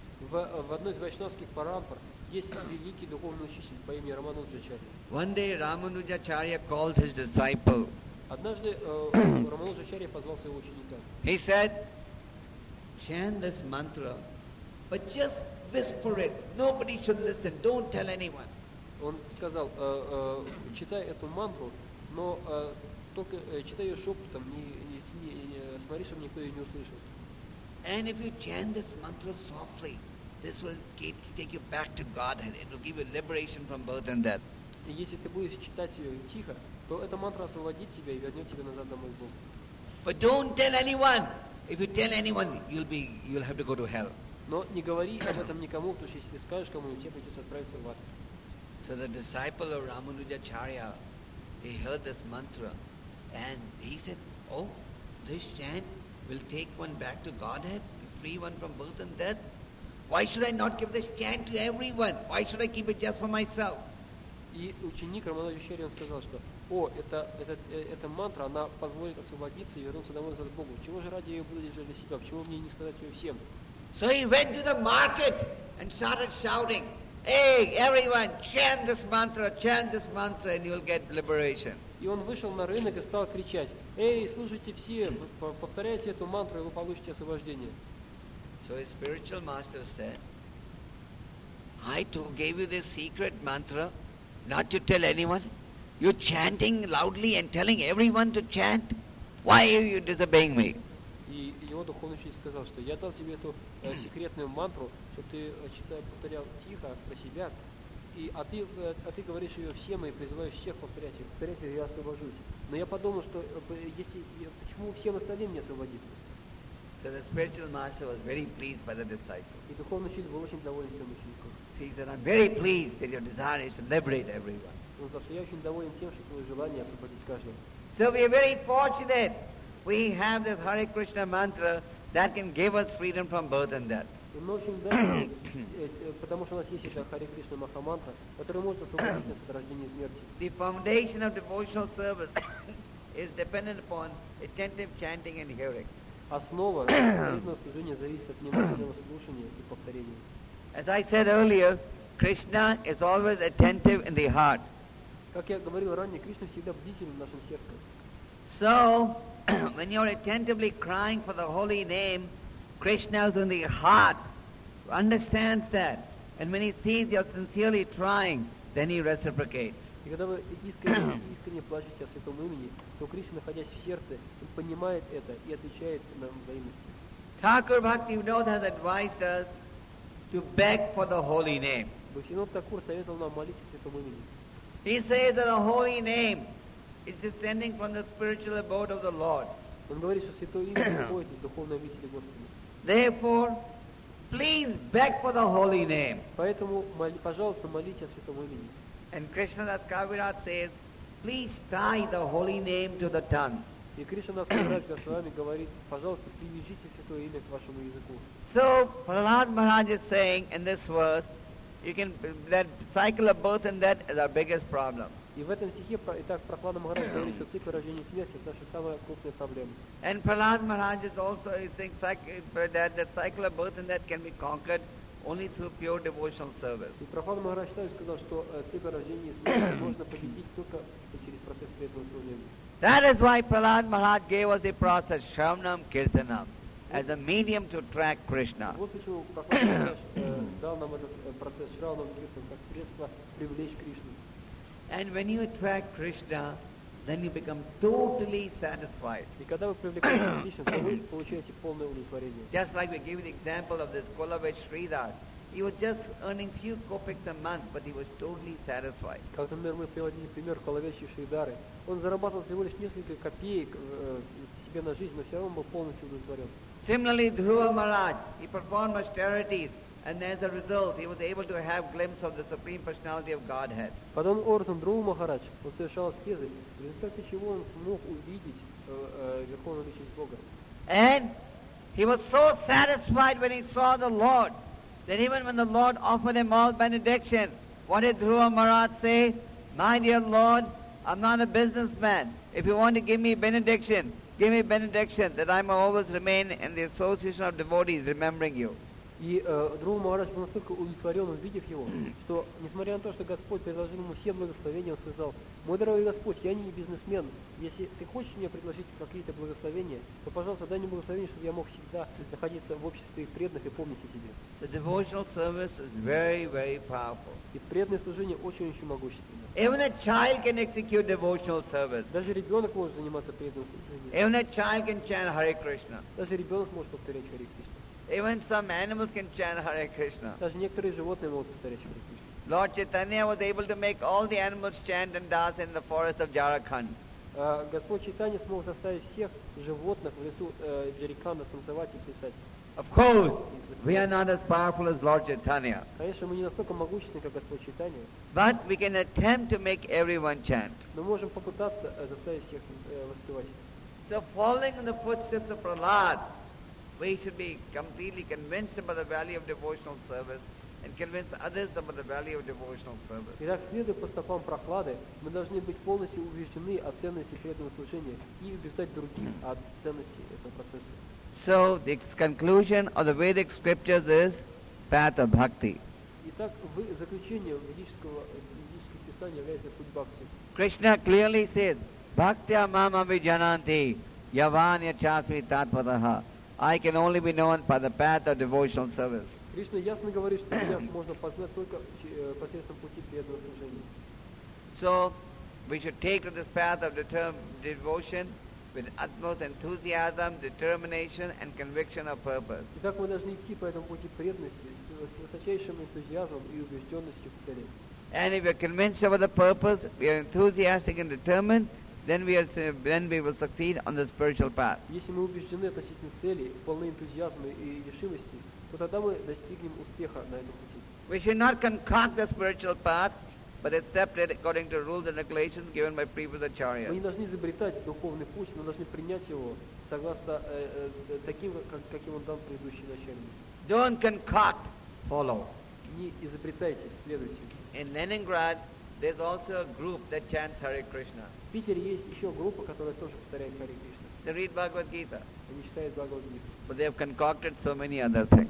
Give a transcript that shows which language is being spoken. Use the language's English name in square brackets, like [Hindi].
[Russian] В одной из вайшнавских парампар есть великий духовный учитель по имени Рамануджачарья. [English] One day Ramanujacharya called his disciple. [Russian] Однажды Рамануджачарья позвал своего ученика. [English] He said, "Chant this mantra, but just whisper it. Nobody should listen. Don't tell anyone." [Russian] Он сказал, читай эту мантру, но только читай ее шепотом, не смотри, чтобы никто ее не услышал. [English] And if you chant this mantra softly, this will keep, take you back to God and it will give you liberation from birth and death. [Russian] И если ты будешь читать ее тихо, то эта мантра освободит тебя и вернет тебя назад домой к Богу. [English] But don't tell anyone. If you tell anyone, you'll have to go to hell. [Russian] Но не говори об этом никому, потому что если ты скажешь кому-нибудь, тебе придется отправиться в ад. [English] So the disciple of Ramanujacharya, he heard this mantra, and he said, "Oh, this chant will take one back to Godhead, free one from birth and death. Why should I not give this chant to everyone? Why should I keep it just for myself?" [Russian] И ученик Рамануджачарьи, он сказал, что, о, эта мантра, она позволит освободиться и вернуться домой назад к Богу. Чего же ради ее будет держать для себя? Почему мне не сказать ее всем? [English] So he went to the market and started shouting, "Hey, everyone, chant this mantra, chant this mantra, and you'll get liberation." [Russian] И он вышел на рынок и стал кричать, "Эй, слушайте все, повторяйте эту мантру, и вы получите освобождение." [English] So his spiritual master said, "I too gave you this secret mantra, not to tell anyone. You're chanting loudly and telling everyone to chant. Why are you disobeying me?" [Russian] И его духовный учитель сказал, что я дал тебе эту секретную мантру, что ты читаешь, повторял тихо про себя, и а ты говоришь ее всем и призываешь всех повторять ее. Повторять ее, я освобожусь. Но я подумал, что если почему всем остальным не освободиться? [English] So the spiritual master was very pleased by the disciple. [Russian] И духовный учитель был очень доволен своим учеником. [English] He said, "I'm very pleased that your desire is to liberate everyone." [Russian] Он сказал, что я очень доволен тем, что твое желание освободить каждого. [English] So we are very fortunate. We have this Hare Krishna mantra that can give us freedom from birth and death. [Russian] И мы очень довольны, потому что у нас есть эта Hare Krishna Maha mantra, которая может освободить нас от рождения и смерти. [English] The foundation of devotional service is dependent upon attentive chanting and hearing. [Russian] Основа духовного служения зависит от внимательного слушания и повторения. [English] As I said earlier, Krishna is always attentive in the heart. [Russian] Как я говорил ранее, Кришна всегда бдителен в нашем сердце. [English] So, when you're attentively crying for the holy name, Krishna is in the heart, understands that. And when he sees you're sincerely trying, then he reciprocates. [Russian] И когда вы искренне плачете о святом имени, то Кришна, находясь в сердце, он понимает это и отвечает на взаимность. [English] Thakur Bhaktivinoda has advised us to beg for the holy name. Бхактивинода Такур [Russian] советовал нам молиться святому имени. [English] He says that the holy name is descending from the spiritual abode of the Lord. [Russian] Он говорит, что святое имя исходит из духовной обители Господа. [English] Therefore, please beg for the holy name. [Russian] Поэтому, пожалуйста, молитесь о святом имени. [English] And Krishnadas Kaviraj says, please tie the holy name to the tongue. [Russian] И Кришнадас Кавирадж Госвами говорит, пожалуйста, привяжите святое имя к вашему языку. [English] So Prahlad Maharaj is saying in this verse, you can that cycle of birth and death is our biggest problem. [Russian] И в этом стихе итак Прохлада Махарадж говорит, что цикл рождения и смерти это наша самая крупная проблема. [English] And Prahlad Maharaj is also saying that the cycle of birth and death can be conquered only through pure devotional service. [Russian] И Прохлада Махарадж также сказал, что цикл рождения и смерти можно победить только через процесс преданного служения. [English] That is why Prahlad Maharaj gave us the process Shravanam Kirtanam as a medium to track Krishna. [Russian] Вот почему Прохлада дал нам этот процесс Шравана Киртана как средство привлечь Кришну. [English] And when you attract Krishna, then you become totally satisfied. [Russian] И когда вы привлекаете Кришну, то вы получаете полное удовлетворение. [English] Just like we gave the example of this Kolavet Sridhar. He was just earning few kopeks a month, but he was totally satisfied. [Russian] Как, например, мы приводили пример Коловечи Шридары. Он зарабатывал всего лишь несколько копеек себе на жизнь, но все равно был полностью удовлетворен. [English] Similarly, Dhruva Maharaj, he performed austerities, and as a result, he was able to have glimpse of the Supreme Personality of Godhead. [Russian] Потом образом Dhruva Maharaj, он совершал аскезы, в результате чего он смог увидеть Верховную Личность Бога. [English] And he was so satisfied when he saw the Lord, that even when the Lord offered him all benediction, what did Dhruva Maharaj say? "My dear Lord, I'm not a businessman. If you want to give me benediction that I may always remain in the association of devotees remembering you." [Russian] И Dhruva Maharaj был настолько удовлетворен, увидев его, что, несмотря на то, что Господь предложил ему все благословения, он сказал, "Мой дорогой Господь, я не бизнесмен. Если ты хочешь мне предложить какие-то благословения, то, пожалуйста, дай мне благословение, чтобы я мог всегда находиться в обществе твоих преданных и помнить о себе." [English] The devotional service is very, very powerful. [Russian] И преданное служение очень-очень могущественно. [English] Even a child can execute devotional service. [Russian] Даже ребенок может заниматься преданным служением. [English] Even a child can chant Hare Krishna. [Russian] Даже ребенок может повторять Hare Krishna. [English] Even some animals can chant Hare Krishna. [Russian] Даже некоторые животные могут повторять Hare Krishna. [English] Lord Chaitanya was able to make all the animals chant and dance in the forest of Jharkhand. [Russian] Господь Чайтанья смог заставить всех животных в лесу Джарикханда танцевать и плясать. [English] Of course, we are not as powerful as Lord Chaitanya. [Russian] Конечно, мы не настолько могущественны, как Господь Чайтанья. [English] But we can attempt to make everyone chant. [Russian] Мы можем попытаться заставить всех воспевать. [English] So following in the footsteps of Prahlad, we should be completely convinced about the value of devotional service and convince others about the value of devotional service. [Russian] Итак, следуя по стопам Прохлады, мы должны быть полностью убеждены о ценности преданного служения и убеждать других о ценности этого процесса. [English] So the conclusion of the Vedic scriptures is path of bhakti. [Russian] Итак, в заключение ведического писания является путь бхакти. [English] Krishna clearly says, [Sanskrit] Bhaktya mama vijananti yavanya chasvi tatpataha. [English] I can only be known by the path of devotional service. [Russian] Кришна ясно говорит, что меня можно познать только посредством пути преданного служения. [English] So we should take this path of devotion with utmost enthusiasm, determination and conviction of purpose. [Russian] Итак, мы должны идти по этому пути преданности с высочайшим энтузиазмом и убежденностью в цели. [English] And if we are convinced about the purpose, we are enthusiastic and determined, then we will succeed on the spiritual path. [Russian] Если мы убеждены относительно цели, полны энтузиазма и решимости, то тогда мы достигнем успеха на этом пути. [English] We should not concoct the spiritual path, but accept it according to rules and regulations given by previous acharyas. [Russian] Мы не должны изобретать духовный путь, но должны принять его согласно таким, каким он дан предыдущим начальникам. [English] Don't concoct, follow. [Russian] Не изобретайте, следуйте. [English] In Leningrad, there's also a group that chants Hare Krishna. [Russian] В Питере есть еще группа, которая тоже повторяет Hare Krishna. [English] They read Bhagavad Gita. [Russian] Они читают Bhagavad Gita. [English] But they have concocted so many other things.